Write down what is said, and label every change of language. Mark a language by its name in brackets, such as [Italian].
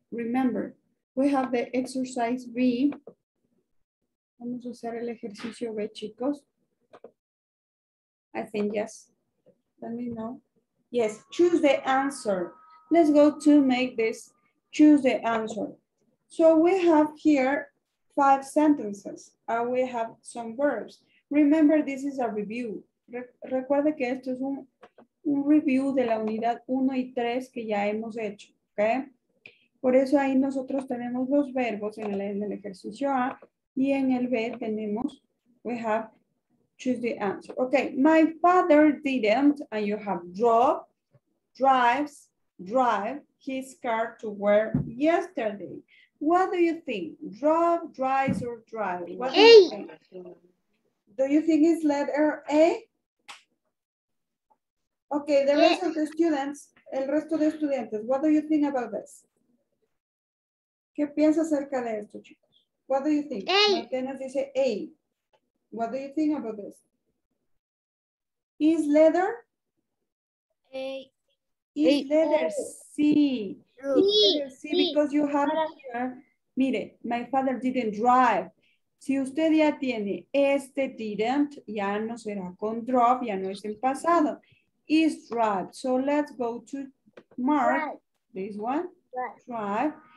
[English] Remember, we have the exercise B. [Spanish] Vamos a hacer el ejercicio B, chicos. [English] I think yes. Let me know. Yes, choose the answer. Let's go to make this, choose the answer. So we have here, 5 sentences, and we have some verbs. Remember, this is a review. [Spanish] Recuerde que esto es un review de la unidad 1 y 3 que ya hemos hecho, ¿ok? Por eso ahí nosotros tenemos los verbos en el ejercicio A, y en el B tenemos, [English] we have choose the answer. Ok, my father didn't, and you have drive his car to where yesterday. What do you think? Drop, drives, or drive? What A. Do you think it's letter A? Okay, the A. Rest of the students, [Spanish] el resto de estudiantes, [English] what do you think about this? [Spanish] ¿Qué piensas acerca de esto, chicos? [English] What do you think? A. Martínez dice A. What do you think about this? Is letter? A. Is A. Letter A. C. [Spanish] Sí, [English] because you have here, mire, my father didn't drive. [Spanish] Si usted ya tiene este didn't, ya no será con drop, ya no es el pasado. [English] Is drive. So let's go to mark this one, drive.